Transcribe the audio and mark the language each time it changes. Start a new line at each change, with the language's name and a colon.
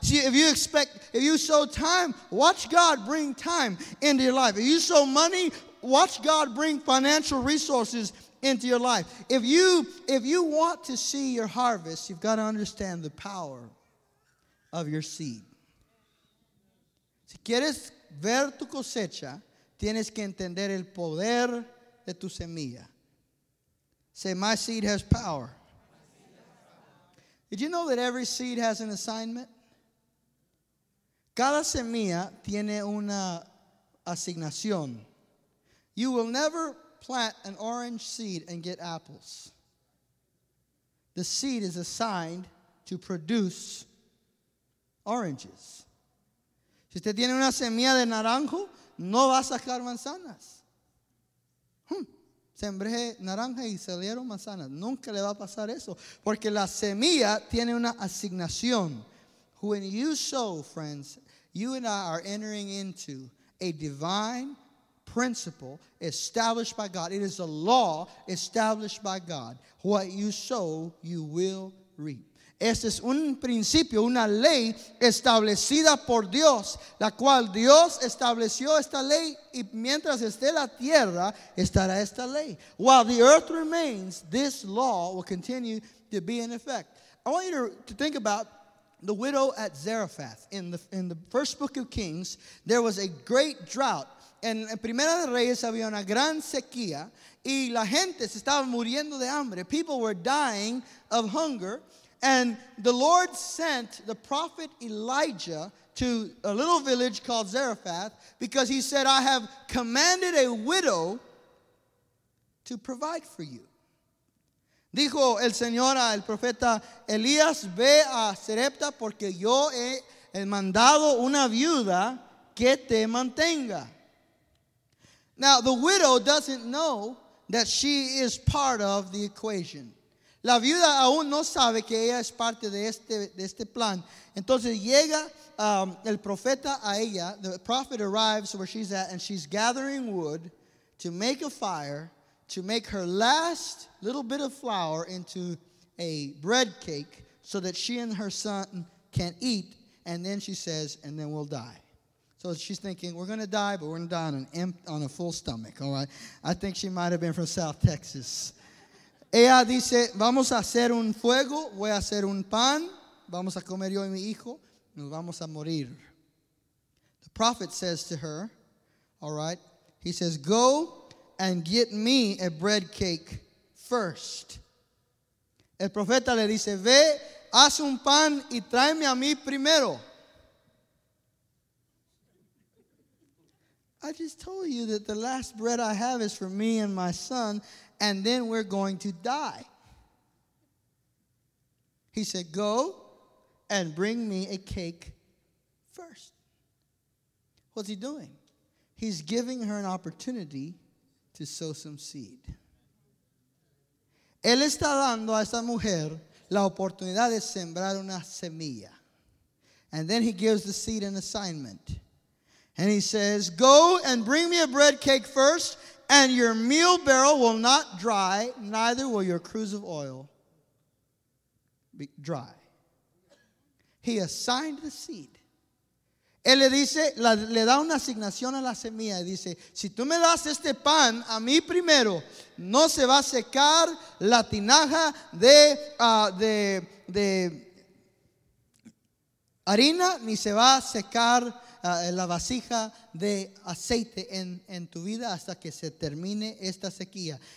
English: See, if you sow time, watch God bring time into your life. If you sow money, watch God bring financial resources into your life. If you want to see your harvest, you've got to understand the power of your seed.
Spanish: Si quieres ver tu cosecha, tienes que entender el poder de tu semilla.
English: Say, my seed has power. Did you know that every seed has an assignment?
Spanish: Cada semilla tiene una asignación.
English: You will never plant an orange seed and get apples. The seed is assigned to produce oranges.
Spanish: Si usted tiene una semilla de naranjo, no va a sacar manzanas. Sembré naranja y salieron manzanas. Nunca le va a pasar eso. Porque la semilla tiene una asignación.
English: When you sow, friends, you and I are entering into a divine principle established by God. It is a law established by God. What you sow, you will reap.
Spanish: Este es un principio, una ley establecida por Dios, la cual Dios estableció esta ley, y mientras esté la tierra, estará esta ley.
English: While the earth remains, this law will continue to be in effect. I want you to think about the widow at Zarephath. In the first book of Kings, there was a great drought.
Spanish: En Primera de Reyes había una gran sequía, y la gente se estaba muriendo de hambre.
English: People were dying of hunger. And the Lord sent the prophet Elijah to a little village called Zarephath because he said, I have commanded a widow to provide for you.
Spanish: Dijo el Señor al profeta Elías, ve a Zarephath porque yo he mandado una viuda que te mantenga.
English: Now, the widow doesn't know that she is part of the equation.
Spanish: La viuda aún no sabe que ella es parte de este plan. Entonces llega el profeta a ella.
English: The prophet arrives where she's at, and she's gathering wood to make a fire to make her last little bit of flour into a bread cake so that she and her son can eat. And then she says, and then we'll die. So she's thinking, we're going to die, but we're going to die on a full stomach, all right? I think she might have been from South Texas.
Spanish: Ella dice, vamos a hacer un fuego, voy a hacer un pan, vamos a comer yo y mi hijo, nos vamos a morir.
English: The prophet says to her, all right, he says, go and get me a bread cake first.
Spanish: El profeta le dice, ve, haz un pan y tráeme a mí primero.
English: I just told you that the last bread I have is for me and my son, and then we're going to die. He said, go and bring me a cake first. What's he doing? He's giving her an opportunity to sow some seed.
Spanish: Él está dando a esta mujer la oportunidad de sembrar una semilla.
English: And then he gives the seed an assignment. And he says, go and bring me a bread cake first, and your meal barrel will not dry, neither will your cruse of oil be dry. He assigned the seed.
Spanish: Él le dice, le da una asignación a la semilla. Dice, si tú me das este pan a mí primero, no se va a secar la tinaja de harina, ni se va a secar la vasija de aceite en tu vida hasta que se termine esta sequía.